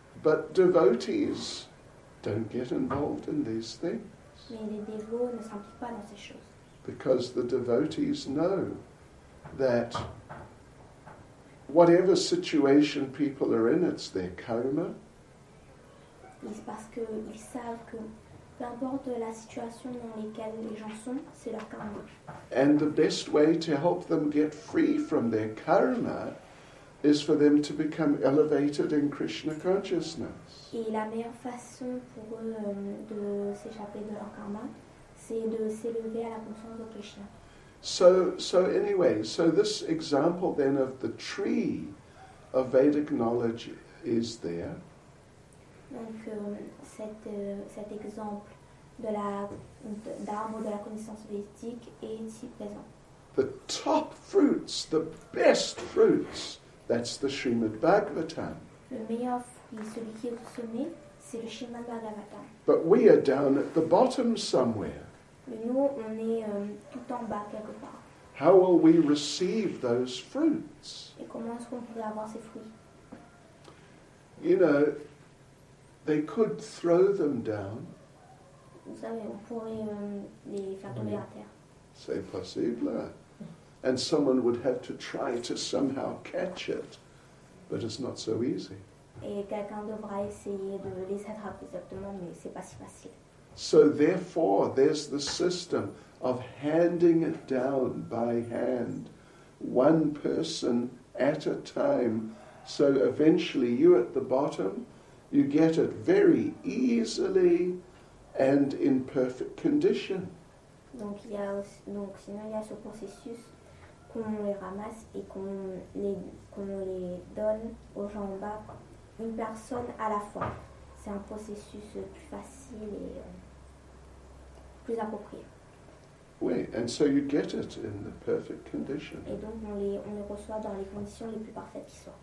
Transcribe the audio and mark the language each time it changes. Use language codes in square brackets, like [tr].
[en] But devotees don't get involved in these things. [fr] Mais les dévots ne s'impliquent pas dans ces choses. [en] Because the devotees know that whatever situation people are in, it's their karma. [fr] Parce qu'ils savent que peu importe la situation dans laquelle les gens sont, c'est leur karma. [en] And the best way to help them get free from their karma is for them to become elevated in Krishna consciousness. [fr] Et la meilleure façon pour eux de s'échapper de leur karma, c'est de s'élever à la conscience de Krishna. [en] So this example then of the tree of Vedic knowledge is there. [fr] Donc cet exemple de d'arbre de la connaissance védique est ici présent. [en] The top fruits, the best fruits, that's the Srimad Bhagavatam. [fr] Le meilleur fruit, celui qui est au sommet, c'est le Srimad Bhagavatam. [en] But we are down at the bottom somewhere. [fr] Mais nous, on est tout en bas quelque part. [en] How will we receive those fruits? [fr] Et comment est-ce qu'on pourrait avoir ces fruits? [en] You know, they could throw them down. [fr] Vous savez, on pourrait les faire tomber à terre. C'est possible. [en] And someone would have to try to somehow catch it, but it's not so easy. [fr] Et quelqu'un devra essayer de les attraper exactement, mais c'est pas si facile. [en] So therefore, there's the system of handing it down by hand, one person at a time. So eventually, you at the bottom, you get it very easily and in perfect condition. [fr] Donc, sinon, il y a ce processus qu'on les ramasse et qu'on les donne aux gens en bas, une personne à la fois. C'est un processus plus facile et plus approprié. Oui, [en] and so you get it in the perfect condition. [fr] Et donc on les reçoit dans les conditions les plus parfaites qui soient.